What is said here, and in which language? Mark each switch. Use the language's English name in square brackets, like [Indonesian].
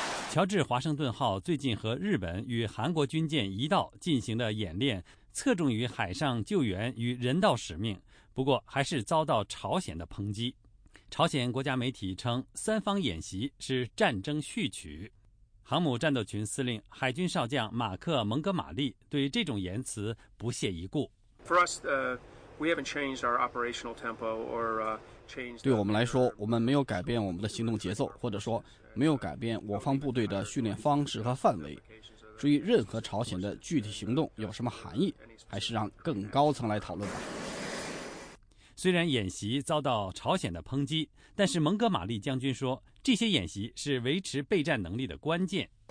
[Chinese] 乔治华盛顿号最近和日本与韩国军舰一道进行的演练，侧重于海上救援与人道使命，不过还是遭到朝鲜的抨击。朝鲜国家媒体称，三方演习是战争序曲。航母战斗群司令、海军少将马克·蒙哥马利对这种言辞不屑一顾。 [English] For us, we haven't changed our operational tempo or changed. [Chinese] 对我们来说，我们没有改变我们的行动节奏，或者说没有改变我方部队的训练方式和范围。至于任何朝鲜的具体行动有什么含义，还是让更高层来讨论吧。虽然演习遭到朝鲜的抨击，但是蒙哥马利将军说，这些演习是维持备战能力的关键。